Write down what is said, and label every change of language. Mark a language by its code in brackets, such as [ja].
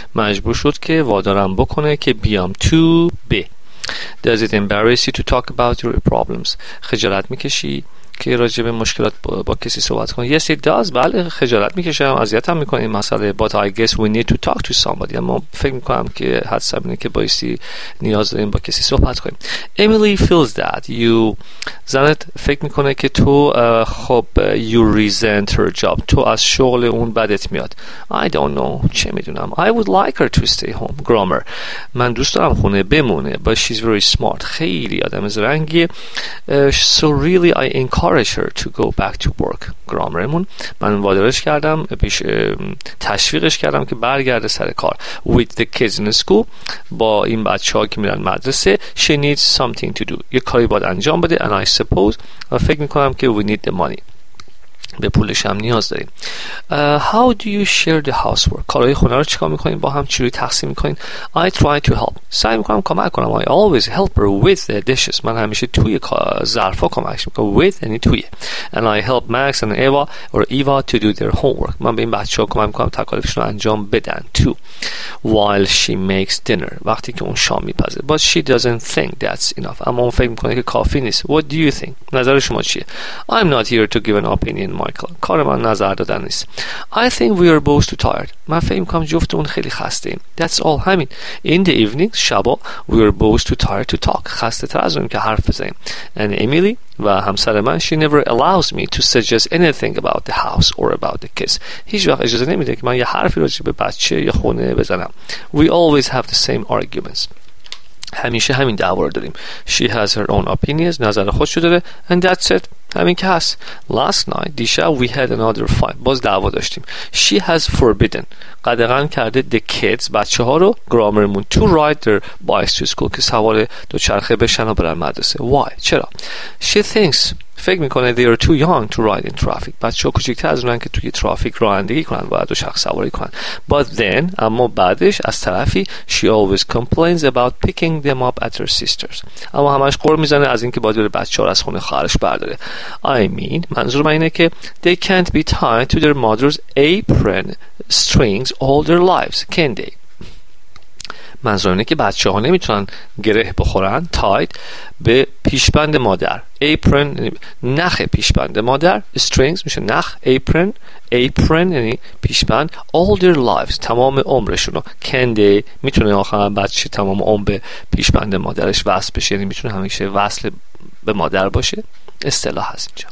[fa] مجبور شد که وادارم بکنه که بیام. [en] To be. Does it embarrass you to talk about your problems? [fa] خجالت میکشی؟ که راجع به مشکلات با کسی صحبت کنه. [en] Yes, it does. [fa] بله خجالت میکشم، اذیتم میکنه این مسئله. [en] But I guess we need to talk to somebody. [fa] اما فکر میکنم که حد سمینه که بایستی نیاز داریم با کسی صحبت کنیم. [en] Emily feels that you [fa] زنت فکر میکنه که تو خب [en] you resent her job. [fa] تو از شغل اون بدت میاد. [en] I don't know. [fa] چه میدونم. [en] I would like her to stay home. Grammar. [fa] من دوست دارم خونه بمونه. [en] But she's very smart. [fa] خیلی آدم زرنگی. [en] So really I encourage her to go back to work. Grammarمون. [fa] من وادارش کردم، پیش تشویقش کردم که برگرده سر کار. [en] With the kids in school. [fa] با این بچه‌ها که میرن مدرسه. [en] She needs something to do. [fa] یه کاری باید انجام بده. [en] And I suppose. [fa] و فکر میکنم که [en] we need the money. [fa] به پولش هم نیاز داریم. [en] How do you share the housework? [fa] کارهای خونه رو چیکار میکنین با هم؟ چجوری تقسیم میکنین؟ [en] I try to help. [fa] سعی میکنم کمک کنم. [en] I always help her with the dishes. [fa] من همیشه توی ظرفا کمکش میکنم. With یعنی توی. [en] And I help Max and Eva or Eva to do their homework. [fa] من به این بچه‌ها کمک میکنم تکالیفشون رو انجام بدن. [en] To while she makes dinner. [fa] وقتی که اون شام میپزه. [en] But she doesn't think that's enough. [fa] اما اون فکر میکنه که کافی نیست. [en] What do you think? [fa] نظر شما چیه؟ [en] I'm not here to give an opinion. [fa] Michael, کار من نظر دادن نیست. [en] I think we are both too tired. [fa] من فکر می‌کنم جفتمون خیلی خسته‌ایم. [en] That's all. [fa] همین. [en] In the evening, [fa] شبا, [en] we are both too tired to talk. [fa] خسته تر از اون که حرف بزنیم. [en] And Emily, [fa] و همسر من, [en] she never allows me to suggest anything about the house or about the kids. [fa] هیچ وقت اجازه نمیده که من یه حرفی راجع به بچه یا خونه بزنم. [en] We always have the same arguments. [fa] همیشه همین دعوا رو داریم. [en] She has her own opinions. [fa] نظر خودشو داره. [en] And that's it. [fa] همین که هست. [en] Last night, [fa] دیشب, [en] we had another fight. [fa] باز دعوا داشتیم. [en] She has forbidden. [fa] قدغن کرده [en] the kids, [fa] بچه ها رو, گرامرمون, to ride their bikes to school, که سوار دوچرخه بشن و برن مدرسه. Why? چرا? [en] She thinks, [fa] فکر میکنه [en] they are too young to ride in traffic. [fa] بچه ها کوچکتر از اونن که توی ترافیک رانندگی کنن و دوچرخه سواری کنن. [en] But then, [fa] اما بعدش, از طرفی, [en] she always complains about picking them up at her sister's. [fa] اما همش قر میزنه از اینکه باید بچه ها از خونه خواهرش برداره. [en] I mean, [fa] منظور من اینه که [en] they can't be tied to their mother's apron strings all their lives, can they? [fa] منظور اینه که بچه ها نمیتونن گره بخورن tied به پیشبند مادر apron نخ پیشبند مادر strings میشه نخ apron یعنی پیشبند [en] all their lives [fa] تمام عمرشون [en] can they [fa] میتونه آخر بچه تمام عمر به پیشبند مادرش وصل بشه یعنی میتونه همیشه وصل به مادر باشه اصطلاح هست اینجا